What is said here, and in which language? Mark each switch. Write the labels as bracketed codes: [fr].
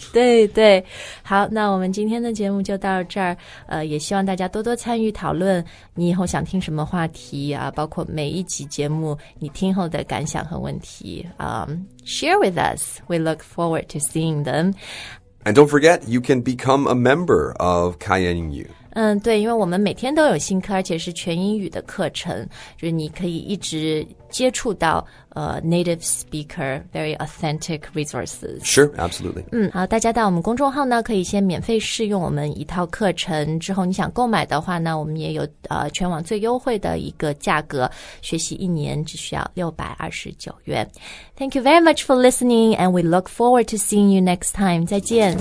[zh] 对对，好，那我们今天的节目就到这儿。也希望大家多多参与讨论，你以后想听什么话题啊？包括每一集节目你听后的感想和问题啊、， [en] share with us. We look forward to seeing them. And don't forget, you can become a member of Kaiyan Yingyu. [zh] 嗯，对，因为我们每天都有新课，而且是全英语的课程，就是你可以一直接触到 [en] native speaker very authentic resources. Sure, absolutely. [zh] 嗯，好，大家到我们公众号呢，可以先免费试用我们一套课程，之后你想购买的话呢，我们也有全网最优惠的一个价格，学习一年只需要629元。 [en] Thank you very much for listening, and we look forward to seeing you next time. [zh] 再见，